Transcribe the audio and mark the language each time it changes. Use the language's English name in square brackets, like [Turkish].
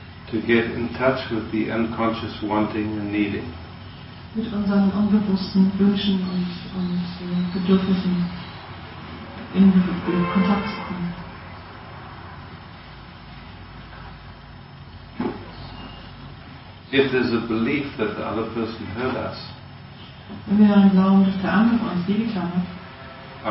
[English] to get in touch with the unconscious wanting and needing. [German] Mit unseren unbewussten Wünschen und Bedürfnissen in Kontakt zu kommen. [English] If there's a belief that the other person hurt us, [German] wenn wir daran glauben, dass der andere uns wehgetan hat,